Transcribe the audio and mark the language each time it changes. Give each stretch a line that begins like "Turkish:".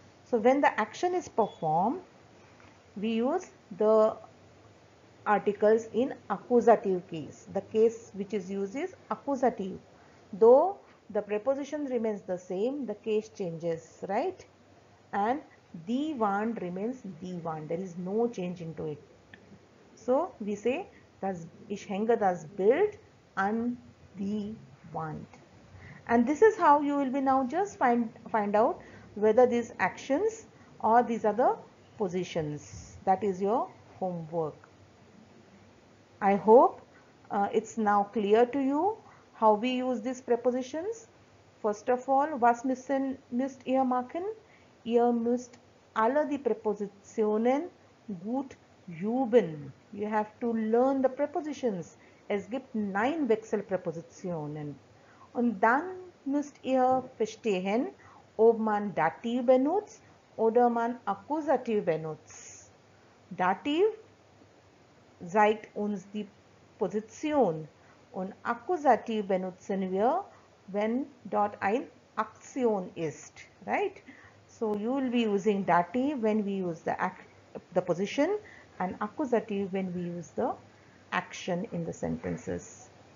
English: So when the action is performed, we use the articles in accusative case. The case which is used is accusative. Though the preposition remains the same, the case changes, right? And die Wand remains die Wand. There is no change into it. So we say,
German: das, ich hänge das Bild an die Wand.
English: And this is how you will be now just find out whether these actions or these are the positions. That is your homework. I hope it's now clear to you how we use these prepositions. First of all,
German: was müsst ihr machen? Ihr müsst alle die Präpositionen gut üben.
English: You have to learn the prepositions
German: es gibt 9 Wechselpräpositionen. Und dann müsst ihr verstehen, ob man Dativ benutzt oder man Akkusativ benutzt. Dativ zeigt uns die Position und Akkusativ benutzen wir, wenn dort ein Aktion ist, right?
English: So you will be using dative when we use the position and accusative when we use the action in the sentences.